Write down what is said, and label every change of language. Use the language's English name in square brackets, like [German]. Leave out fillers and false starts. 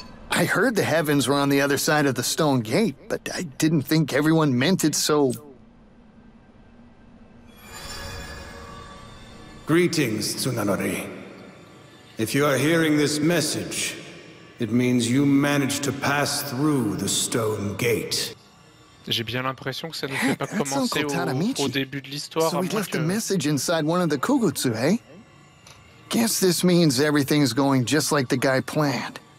[English] I heard the heavens were on the other side of the stone gate, but I didn't think everyone meant it so... Greetings, Tsunanori. If you are hearing this message, it means you managed to pass through the stone gate. [French] J'ai bien l'impression que ça ne fait pas commencer au début de l'histoire. [English] So we left a message inside one of the Kugutsu, eh? Guess this means everything's going just like the guy planned.